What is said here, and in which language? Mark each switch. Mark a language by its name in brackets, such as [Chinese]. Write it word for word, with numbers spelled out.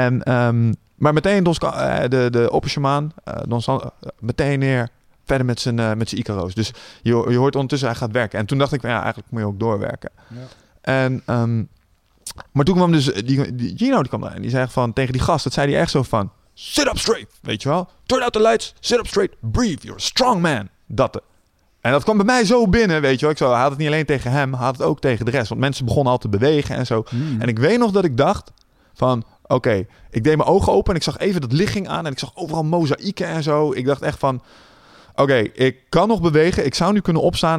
[Dutch] En, um, maar meteen Don, de, de oppershamaan... Uh, Don San, uh, meteen neer... verder met zijn, uh, met zijn Icaro's. Dus je, je hoort ondertussen... hij gaat werken. En toen dacht ik... ja, eigenlijk moet je ook doorwerken. Ja. En... Um, maar toen kwam dus, die, die, Gino die kwam daar en die zei van, tegen die gast, dat zei hij echt zo van, [English] sit up straight, [Dutch] weet je wel. [English] Turn out the lights, sit up straight, breathe, you're a strong man. [Dutch] Dat. En dat kwam bij mij zo binnen, weet je wel. Ik zo, hij had het niet alleen tegen hem, hij had het ook tegen de rest. Want mensen begonnen al te bewegen en zo. Mm. En ik weet nog dat ik dacht van, oké, okay, ik deed mijn ogen open en ik zag even dat ligging aan. En ik zag overal mozaïeken en zo. Ik dacht echt van, oké, okay, ik kan nog bewegen. Ik zou nu kunnen opstaan.